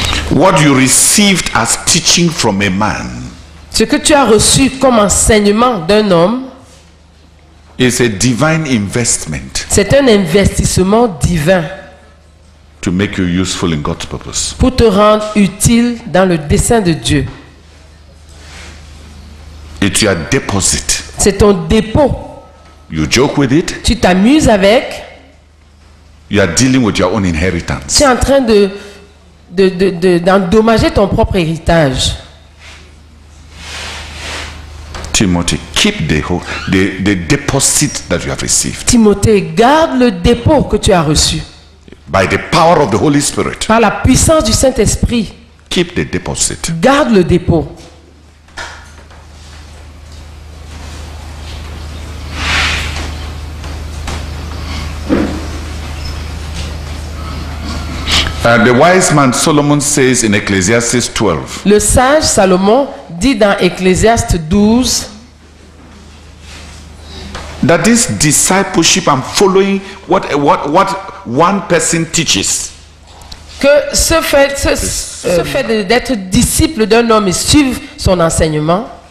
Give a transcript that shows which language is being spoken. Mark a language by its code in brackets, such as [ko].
[en] What you received as teaching from a man. [fr] Ce que tu as reçu comme enseignement d'un homme [en] is a divine investment. [fr] C'est un investissement divin. [en] To make you useful in God's purpose. [fr] Pour te rendre utile dans le dessein de Dieu. [en] It's your deposit. [fr] C'est ton dépôt. [en] You joke with it. [fr] Tu t'amuses avec. [en] You are dealing with your own inheritance. [fr] Tu es en train d'endommager ton propre héritage. [en] Timothée, keep the deposit that you have received. [fr] Timothée, garde le dépôt que tu as reçu. [en] By the power of the Holy Spirit. [fr] Par la puissance du Saint-Esprit. [en] Keep the deposit. [fr] Garde le dépôt. [en] The wise man Solomon says in Ecclesiastes 12. [fr] Le sage Salomon dit dans Ecclésiaste 12. [en] That this discipleship and following what one person teaches. [fr] Que ce fait d'être disciple d'un homme et suivre son enseignement.